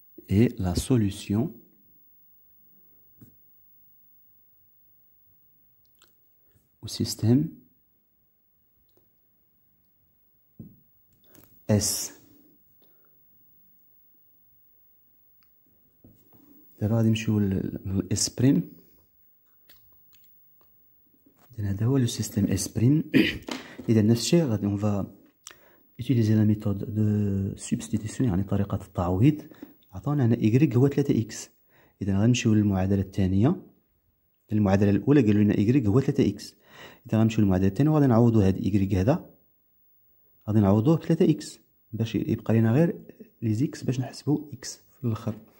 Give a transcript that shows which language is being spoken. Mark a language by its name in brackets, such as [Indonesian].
[French] إي لا سوليسيون au système S. D'abord, je vais mettre le S prime. D'abord, le système S prime. Et dans ce cas, on va utiliser la méthode de substitution, [Arabic] يعني طريقة التعويض. عطانا هنا y هو 3x. إذا غادي نمشيو للمعادلة الثانية. المعادلة الأولى قالوا لنا y هو 3x. إذا غنمشيو للمعادلة الثانية وغادي نعوضو هاد إيكغيك هذا غادي نعوضوه بثلاثة إكس باش يبقى لينا غير لي زيكس باش نحسبو إكس في الآخر.